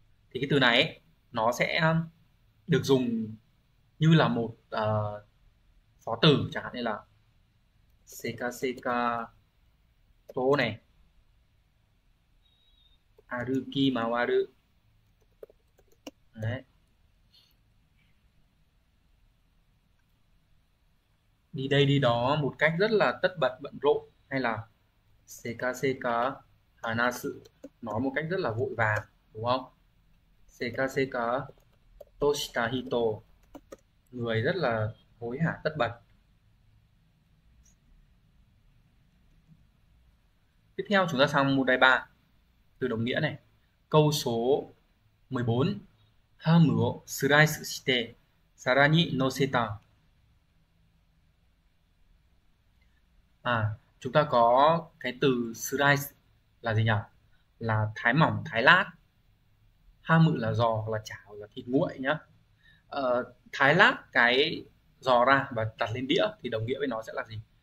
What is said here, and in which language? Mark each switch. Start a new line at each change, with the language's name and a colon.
Vietnamese: Thì cái từ này ấy, nó sẽ được dùng như là một phó từ chẳng hạn như là sekaseka tô này,
Japanese: aruki mawaru
Vietnamese: đấy, đi đây đi đó một cách rất là tất bật bận rộn, hay là
Japanese: sekaseka hanasu,
Vietnamese: nói một cách rất là vội vàng đúng không.
Japanese: Sekaseka toshita hito,
Vietnamese: người rất là hối hả tất bật. Tiếp theo chúng ta sang một đài 3. từ đồng nghĩa này. Câu số 14.
Japanese: Ham slice して皿に乗せた。
Vietnamese: Chúng ta có cái từ slice là gì nhỉ? Là thái mỏng, thái lát. Ham mự là giò, là chảo, là thịt nguội nhá. Thái lát cái giò ra và đặt lên đĩa thì đồng nghĩa với nó sẽ là gì?